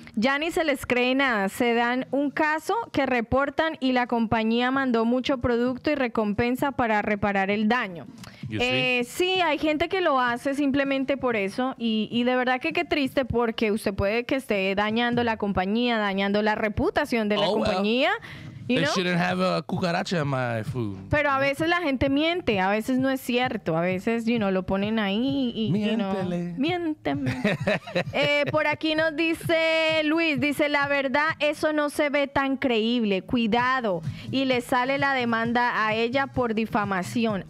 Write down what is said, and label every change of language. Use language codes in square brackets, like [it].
[es] Ya ni se les cree nada. Se dan un caso que reportan y la compañía mandó mucho producto y recompensa para reparar el daño. Sí, hay gente que lo hace simplemente por eso. Y de verdad que qué triste, porque usted puede que esté dañando la compañía, dañando la reputación de la compañía. [en] You know? They shouldn't have a cucaracha in my food. [es] Pero a veces la gente miente, a veces no es cierto, a veces, [en] you know, [es] lo ponen ahí y, miéntele. [en] You know, [es] miénteme. por aquí nos dice Luis, dice, la verdad, eso no se ve tan creíble, cuidado, y le sale la demanda a ella por difamación.